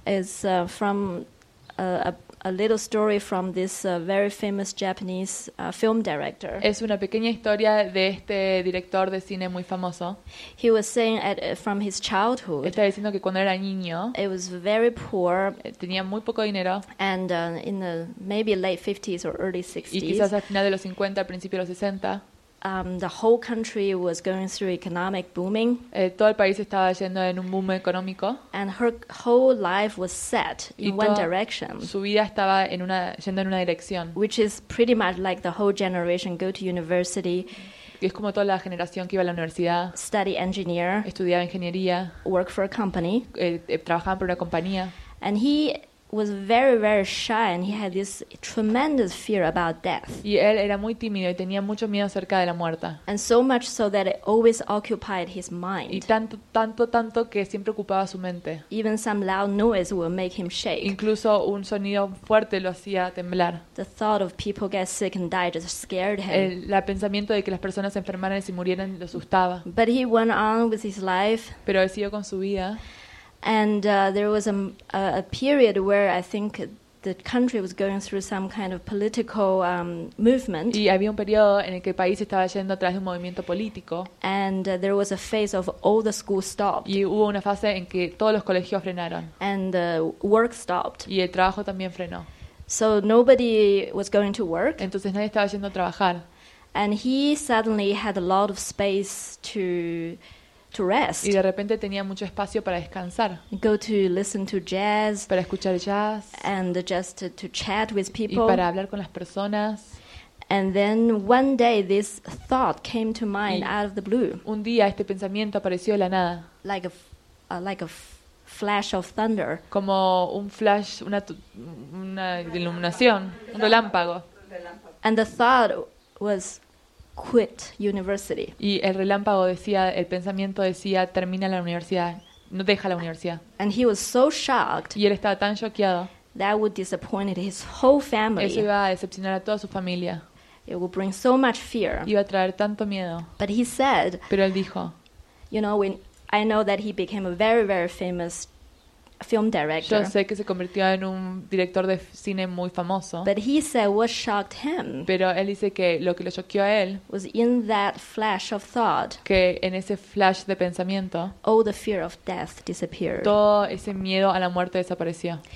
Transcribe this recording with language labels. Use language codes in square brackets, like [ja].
[en] It's from a little story from this very famous Japanese film director. [es] Es una pequeña historia de este director de cine muy famoso. [en] He was saying from his childhood. [es] Está diciendo que cuando era niño. [en] It was very poor. [es] Tenía muy poco dinero. [en] And in the maybe late 50s or early 60s. [es] Y quizás al final de los 50, al principio de los 60. [en] the whole country was going through economic booming. [es] Todo el país estaba yendo en un boom económico. [en] And her whole life was set in one direction. [es] Su vida estaba en una, yendo en una dirección. [en] Which is pretty much like the whole generation go to university. [es] Es como toda la generación que iba a la universidad. [en] Study engineer. [es] Estudiaba ingeniería. [en] Work for a company. [es] Trabajaban por una compañía. [en] And he was very, very shy, and he had this tremendous fear about death. [es] Y él era muy tímido y tenía mucho miedo acerca de la muerte. [en] And so much so that it always occupied his mind. [es] Y tanto que siempre ocupaba su mente. [en] Even some loud noise would make him shake. [es] Incluso un sonido fuerte lo hacía temblar. [en] The thought of people get sick and die just scared him. [es] El pensamiento de que las personas se enfermaran y murieran lo asustaba. [en] But he went on with his life. [es] Pero él siguió con su vida. [en] And there was a period where I think the country was going through some kind of political movement. [es] Y había un periodo en el que el país estaba yendo a través de un movimiento político. [en] And there was a phase of all the schools stopped. [es] Y hubo una fase en que todos los colegios frenaron. [en] And the work stopped. [es] Y el trabajo también frenó. [en] So nobody was going to work. [es] Entonces nadie estaba yendo a trabajar. [en] And he suddenly had a lot of space to rest. [es] Y de repente tenía mucho espacio para descansar. [en] Go to listen to jazz. [es] Para escuchar jazz. [en] And just to chat with people. [es] Y para hablar con las personas. [en] And then one day this thought came to mind out of the blue. [es] Un día este pensamiento apareció de la nada. [en] Like a flash of thunder. [es] Como un flash, una iluminación, un relámpago. [en] And the thought was quit university. [es] Y el relámpago decía, el pensamiento decía, termina la universidad, no deja la universidad. [en] And he was so shocked. [es] Y él estaba tan shockeado. [en] That would disappoint his whole family. [es] Eso iba a decepcionar a toda su familia. [en] It would bring so much fear. [es] Iba a traer tanto miedo. [en] But he said. [es] Pero él dijo. [en] You know, when I know that he became a very, very famous film director. [es] Yo sé que se convirtió en un director de cine muy famoso. [en] But he said what shocked him. [es] Pero él dice que lo que lo choqueó a él [en] was in that flash of thought. [es] Que en ese flash de pensamiento, [en] all the fear of death disappeared. [es] Todo ese miedo a la muerte desapareció.